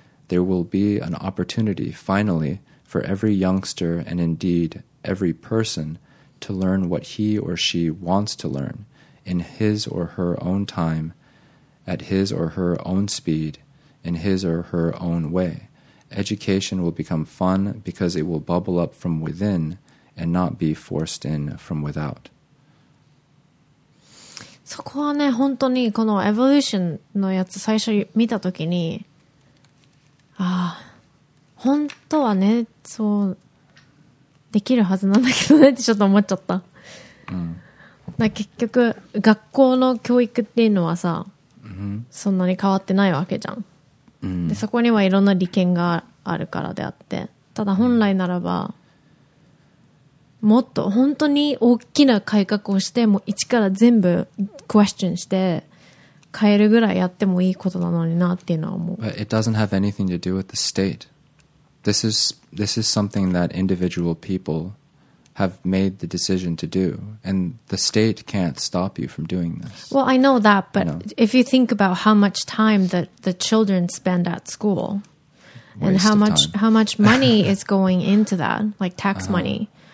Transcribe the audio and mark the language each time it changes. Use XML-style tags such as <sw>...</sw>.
<en>There will be an opportunity, finally, for every youngster and indeed every person to learn what he or she wants to learn in his or her own time, at his or her own speed, in his or her own way. Education will become fun because it will bubble up from within and not be forced in from without."</en> <ja>そこはね、本当にこのエボリューションのやつ最初見たときに、ああ、本当はね、そうできるはずなんだけどねってちょっと思っちゃった。だ結局学校の教育っていうのはさ、そんなに変わってないわけじゃん。でそこにはいろんな利権があるからであって、ただ本来ならば。もっと本当に大きな改革をしてもう一から全部クエスチョンして変えるぐらいやってもいいことなのになっていうのは思う。</ja> <en>But it doesn't have anything to do with the state. This is something that individual people have made the decision to do, and the state can't stop you from doing this. Well, I know that, but if you think about how much time that the children spend at school, and how much money is going into that, like tax money.</en>